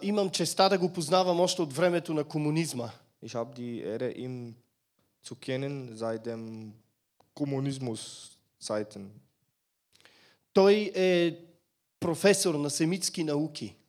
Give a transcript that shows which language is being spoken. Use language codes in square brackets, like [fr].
[bg] Имам честа да го познавам още от времето на комунизма. [de] Ich habe die Ehre ihn zu kennen seit dem Kommunismus Zeiten. [bg] Той е професор на семитски науки.